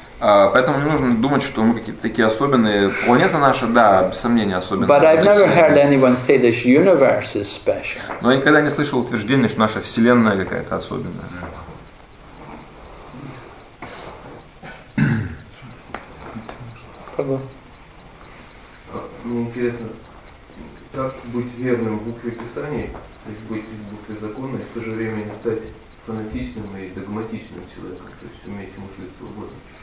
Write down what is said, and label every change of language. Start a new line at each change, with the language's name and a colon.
Russian: Поэтому не нужно думать, что мы какие-то такие особенные. Планета наша, да, без сомнения, особенная.
English: But I've never heard anyone say this universe is special.
Russian: Но я никогда не слышал утверждения, что наша вселенная какая-то особенная. Мне интересно, как быть верным в букве Писания, то есть быть в букве закона, и в то же время не стать фанатичным и догматичным человеком, то есть уметь мыслить свободно.